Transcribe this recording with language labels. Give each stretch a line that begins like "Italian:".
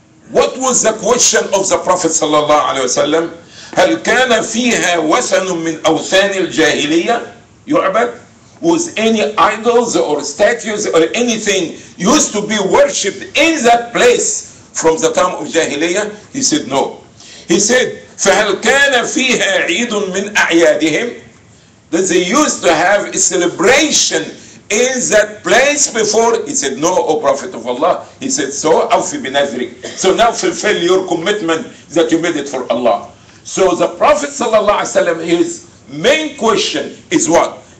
English: What was the question of the Prophet sallallahu alaihi wasallam?
Arabic: هَلْ كَانَ فِيهَا وَثَنٌ مِّنْ أَوْثَانِ الْجَاهِلِيَّةِ يُعْبَدْ.
English: Was any idols or statues or anything used to be worshipped in that place from the time of Jahiliyyah? He said, no. He said,
Arabic: فَهَلْ كَانَ فِيهَا عِيدٌ مِّنْ أَعْيَادِهِمْ.
English: That they used to have a celebration in that place before? He said, no, O Prophet of Allah. He said, so,
Arabic: أَوْفِ بِنَذْرِ.
English: So now fulfill your commitment that you made it for Allah. So the Prophet sallallahu alaihi wasallam, his main question is what?